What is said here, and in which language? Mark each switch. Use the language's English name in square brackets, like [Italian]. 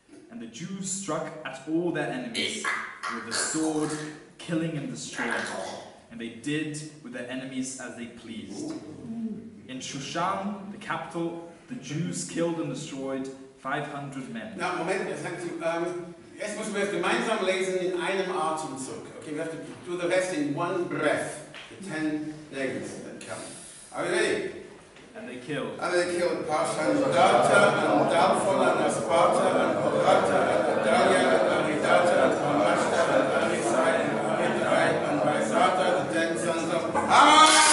[English] And the Jews struck at all their enemies with the sword, killing and destroying them, and they did with their enemies as they pleased. In Shushan, the capital, the Jews killed and destroyed 500 men. Now, Moment, I thank you. [German] Jetzt müssen wir es gemeinsam lesen in einem Atemzug. [English] Okay, we have to do the rest in one breath. The 10 legs that count. Are we ready? And they killed. And they killed Parshan Zodata, and Dalfon, and Asparta, and Odrata, and Adalia, and Aridata, and Amashta, and Arisai, and Aridai, and Raisata, the 10 sons of Haman.